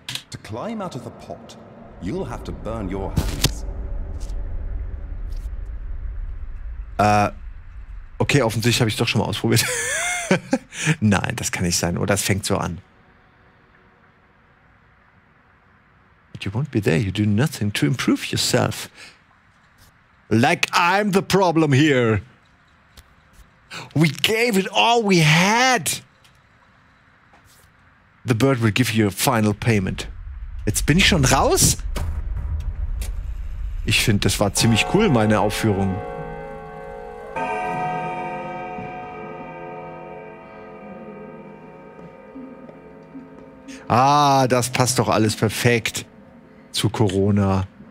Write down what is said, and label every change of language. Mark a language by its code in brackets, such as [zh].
[en] To climb out of the pot, you'll have to burn your hands. [de] Okay, offensichtlich habe ich es doch schon mal ausprobiert. Nein, das kann nicht sein. Oder es fängt so an. [en] You won't be there, you do nothing to improve yourself. Like I'm the problem here. We gave it all we had. The bird will give you a final payment. [de] Jetzt bin ich schon raus? Ich finde, das war ziemlich cool, meine Aufführung. Ah, das passt doch alles perfekt. Zu Corona.